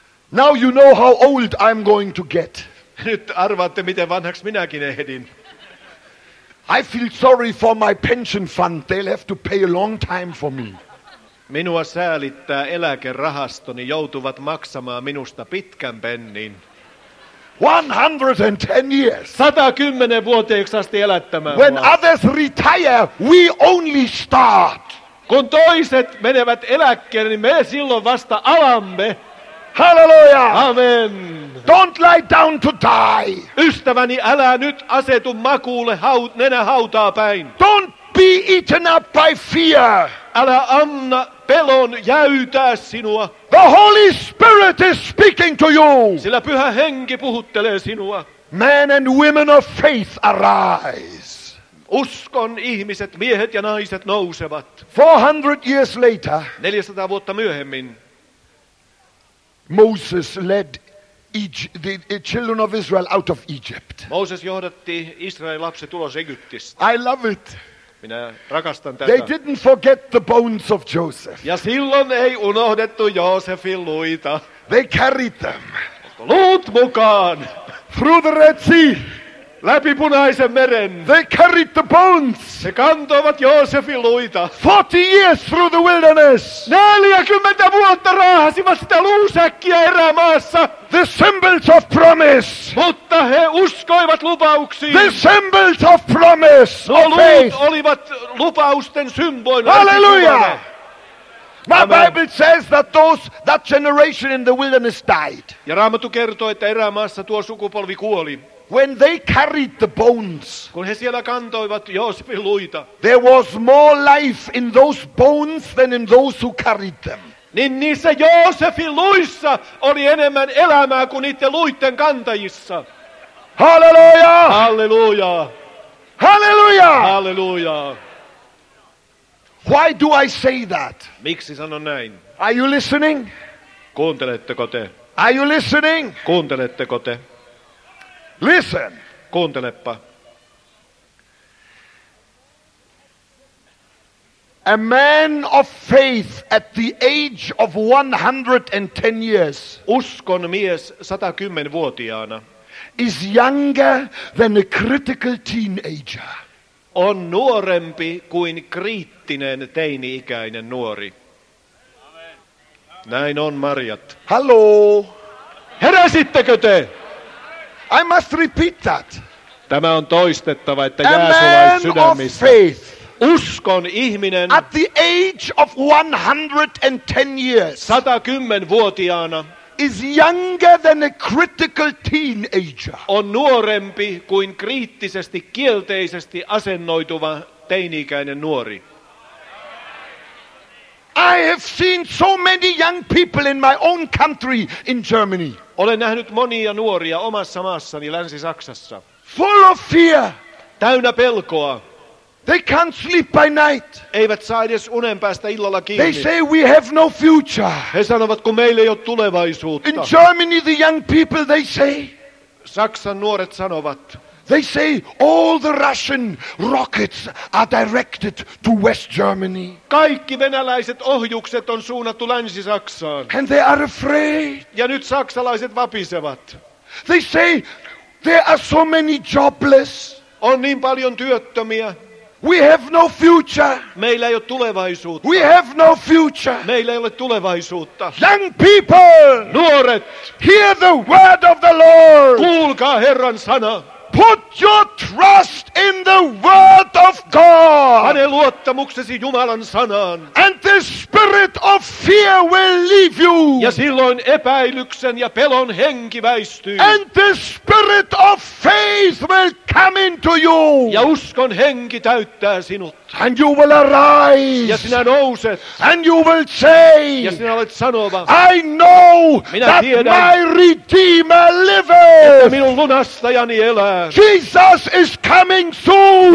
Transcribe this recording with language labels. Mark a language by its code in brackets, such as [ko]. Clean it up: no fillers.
[en] Now you know how old I'm going to get. [fi] Nyt arvaatte miten vanhaksi minäkin ehdin. [en] I feel sorry for my pension fund. They'll have to pay a long time for me. [fi] Minua säälittää eläkerahastoni, joutuvat maksamaan minusta pitkän pennin. [en] 110 years. [fi] 110 vuoteeksi asti elättämään. [en] When others retire, we only start. [fi] Kun toiset menevät eläkkeelle, niin me silloin vasta alamme. Hallelujah. Amen. [en] Don't lie down to die. [fi] Ystäväni, älä nyt asetu makuulle nenä hautaa päin. [en] Don't be eaten up by fear. [fi] Älä anna pelon jäytää sinua. [en] The Holy Spirit is speaking to you. [fi] Sillä pyhä henki puhuttelee sinua. [en] Men and women of faith arise. [fi] Uskon ihmiset, miehet ja naiset nousevat. [en] 400 years later. [fi] 400 vuotta myöhemmin. [en] Moses led the children of Israel out of Egypt. [fi] Mooses johdatti Israelin lapset ulos Egyptistä. [en] I love it. [fi] Minä rakastan tätä. [en] They didn't forget the bones of Joseph. [fi] Ja silloin ei unohdettu Joosefin luita. [en] They carried them. [fi] Luut mukaan. [en] Through the Red Sea. [fi] Läpi punaisen meren. [en] They carried the bones. [fi] He kantoivat Joosefin luita. [en] 40 years through the wilderness. [fi] 40 vuotta raahasivat sitä luusäkkiä erämaassa. [en] The symbols of promise. [fi] Mutta he uskoivat lupauksiin. [en] The symbols of promise. No of faith. [fi] Luut olivat lupausten symboina. Hallelujah. [en] My Bible says that that generation in the wilderness died. [fi] Ja Raamattu kertoo, että erämaassa tuo sukupolvi kuoli. [en] When they carried the bones, [fi] kun he siellä kantoivat Joosefin luita, [en] there was more life in those bones than in those who carried them. [fi] Niin niissä Joosefin luissa oli enemmän elämää kuin niiden luiden kantajissa. Halleluja! Halleluja! Halleluja! Halleluja! [en] Why do I say that? [fi] Miksi sanon näin? [en] Are you listening? [fi] Kuunteletteko te? [en] Are you listening? [fi] Kuunteletteko te? [en] Listen. [fi] Kuuntelepa. [en] A man of faith at the age of 110 years. [fi] Uskon mies 110-vuotiaana. [en] Is younger than a critical teenager. [fi] On nuorempi kuin kriittinen teini-ikäinen nuori. Näin on, Marjat. [en] Hello. [fi] Heräsittekö te? [en] I must repeat that. [fi] Tämä on toistettava, että jää sulla sydämissä. [en] Of faith. [fi] Uskon ihminen. [en] At the age of 110 years. [fi] 110-vuotiaana. [en] Is younger than a critical teenager. [fi] On nuorempi kuin kriittisesti kielteisesti asennoituva teini-ikäinen nuori. [en] I have seen so many young people in my own country in Germany. [fi] Olen nähnyt monia nuoria omassa maassani Länsi-Saksassa. [en] Full of fear. [fi] Täynnä pelkoa. [en] They can't sleep by night. [fi] Eivät saa edes unen päästä illalla kiinni. [en] They say we have no future. [fi] He sanovat, kun meillä ei ole tulevaisuutta. [en] In Germany the young people they say. [fi] Saksan nuoret sanovat. [en] They say all the Russian rockets are directed to West Germany. [fi] Kaikki venäläiset ohjukset on suunnattu Länsi-Saksaan. [en] And they are afraid. [fi] Ja nyt saksalaiset vapisevat. [en] They say there are so many jobless. [fi] On niin paljon työttömiä. [en] We have no future. [fi] Meillä ei ole tulevaisuutta. [en] We have no future. [fi] Meillä ei ole tulevaisuutta. [en] Young people. [fi] Nuoret. [en] Hear the word of the Lord. [fi] Kuulkaa Herran sana. [en] Put your trust in the word of God. [fi] Pane luottamuksesi Jumalan sanaan. [en] And the spirit of fear will leave you. [fi] Ja silloin epäilyksen ja pelon henki väistyy. [en] And the spirit of faith will come into you. [fi] Ja uskon henki täyttää sinut. [en] And you will arise. [fi] Ja sinä nouset. [en] And you will say. [fi] Ja sinä olet sanova. [en] I know [fi] minä [en] that [fi] tiedän, [en] my Redeemer liveth. [fi] Että minun lunastajani elää. [en] Jesus is coming soon.